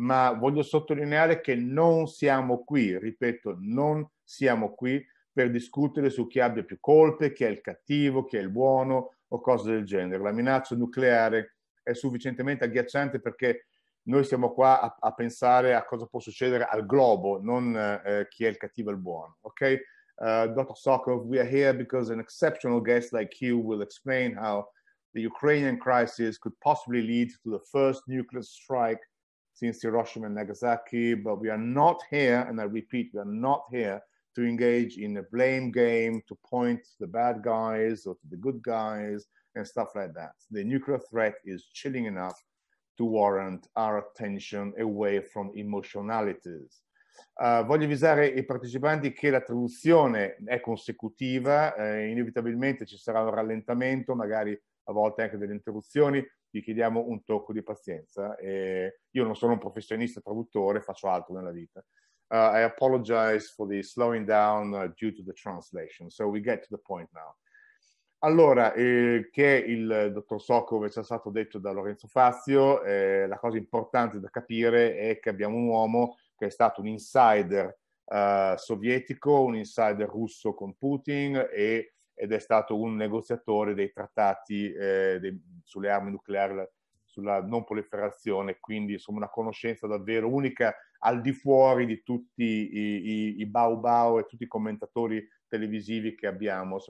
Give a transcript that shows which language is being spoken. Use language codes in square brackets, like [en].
[it] Ma voglio sottolineare che non siamo qui, ripeto, non siamo qui per discutere su chi abbia più colpe, chi è il cattivo, chi è il buono o cose del genere. La minaccia nucleare è sufficientemente agghiacciante perché noi siamo qua a pensare a cosa può succedere al globo, non chi è il cattivo e il buono. [en] Ok? Dr. Sokov, we are here because an exceptional guest like you will explain how the Ukrainian crisis could possibly lead to the first nuclear strike since Hiroshima and Nagasaki, but we are not here, and I repeat, we are not here to engage in a blame game, to point to the bad guys or to the good guys and stuff like that. The nuclear threat is chilling enough to warrant our attention away from emotionalities. [it] Voglio avvisare i partecipanti che la traduzione è consecutiva, inevitabilmente ci sarà un rallentamento, magari a volte anche delle interruzioni. Vi chiediamo un tocco di pazienza. Io non sono un professionista traduttore, faccio altro nella vita. [en] I apologize for the slowing down due to the translation. So we get to the point now. [it] Allora, che il dottor Sokov è già stato detto da Lorenzo Fazio, la cosa importante da capire è che abbiamo un uomo che è stato un insider sovietico, un insider russo con Putin ed è stato un negoziatore dei trattati sulle armi nucleari, sulla non proliferazione, quindi insomma una conoscenza davvero unica al di fuori di tutti i bau bau e tutti i commentatori televisivi che abbiamo.